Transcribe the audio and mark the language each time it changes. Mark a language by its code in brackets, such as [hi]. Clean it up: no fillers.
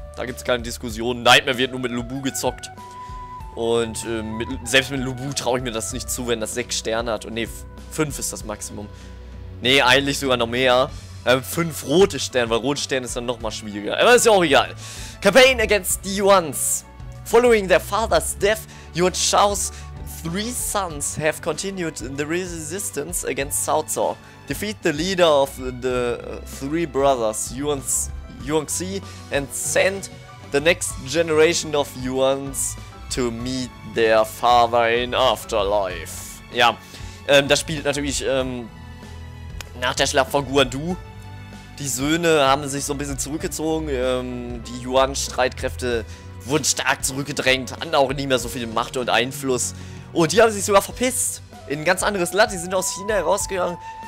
[de] Da gibt es keine Diskussion. Nightmare wird nur mit Lubu gezockt. Und selbst mit Lubu traue ich mir das nicht zu, wenn das 6 Sterne hat. Und ne, 5 ist das Maximum. Ne, eigentlich sogar noch mehr. 5 rote Sterne, weil rote Sterne ist dann nochmal schwieriger. Aber ist ja auch egal. [en] Campaign against the Yuans. Following their father's death, Yuan Shao's 3 sons have continued in the resistance against Cao Cao. Defeat the leader of the 3 brothers, Yuanxi, and send the next generation of Yuans to meet their father in afterlife. [de] Ja, das spielt natürlich nach der Schlacht von Guandu. Die Söhne haben sich so ein bisschen zurückgezogen. Die Yuan-Streitkräfte wurden stark zurückgedrängt, hatten auch nicht mehr so viel Macht und Einfluss. Und die haben sich sogar verpisst. In ein ganz anderes Land. Die sind aus China herausgegangen.